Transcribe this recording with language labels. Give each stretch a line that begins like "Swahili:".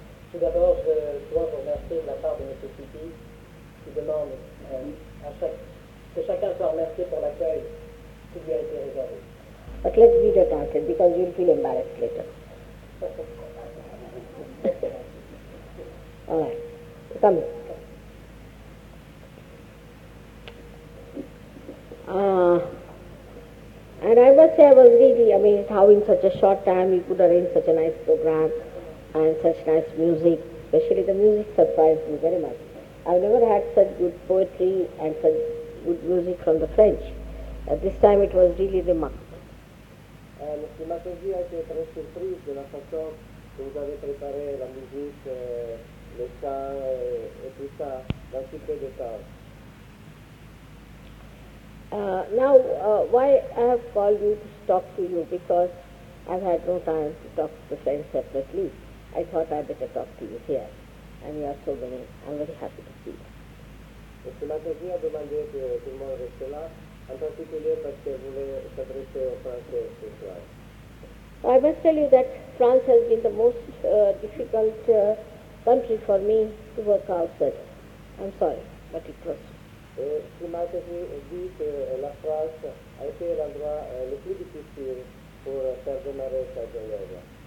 French: Tout d'abord, je dois vous remercier de la part de M. Pipi qui demande que chacun soit remercié pour l'accueil qui lui a été réservé.
English: But let's be detached because you'll feel embarrassed later. All right. Come. And I must say I was really amazed how in such a short time we could arrange such a nice program and such nice music. Especially the music surprised me very much. I've never had such good poetry and such good music from the French. At this time it was really remarkable.
French: Monsieur Mataji a été très surprise de la façon que vous avez préparé la musique, le chant et tout ça, dans si peu de temps.
English: Now, why I have called you to talk to you, because I've had no time to talk to the friends separately. I thought I'd better talk to you here, and you are so many. I'm very happy to see you.
French: Monsieur Mataji a demandé que tout le monde reste là, en particulier parce que vous voulez s'adresser aux Français ce soir.
English: I must tell you that France has been the most difficult country for me to work out with. I'm sorry, but it was.
French: Shri Mataji dit que la France a été l'endroit le plus difficile pour faire démarrer sa carrière.